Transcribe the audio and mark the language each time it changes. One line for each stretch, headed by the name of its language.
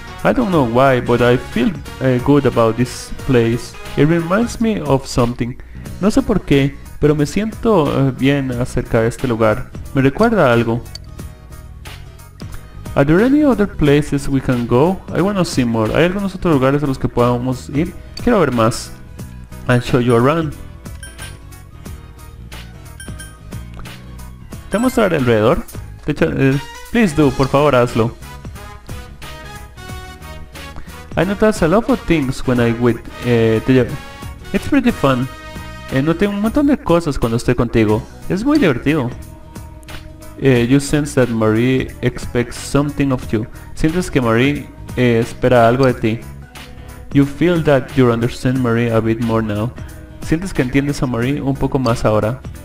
English: I don't know why, but I feel good about this place. It reminds me of something.
Spanish: No sé por qué, pero me siento bien acerca de este lugar. Me recuerda a algo.
English: Are there any other places we can go? I wanna see more.
Spanish: ¿Hay algunos otros lugares a los que podamos ir? Quiero ver más.
English: I'll show you around.
Spanish: ¿Te mostraré alrededor?
English: Please do,
Spanish: por favor hazlo.
English: I notice a lot of things when I with it's pretty fun.
Spanish: Noté un montón de cosas cuando estoy contigo. Es muy divertido.
English: You sense that Marie expects something of you.
Spanish: Sientes que Marie espera algo de ti.
English: You feel that you understand Marie a bit more now.
Spanish: Sientes que entiendes a Marie un poco más ahora.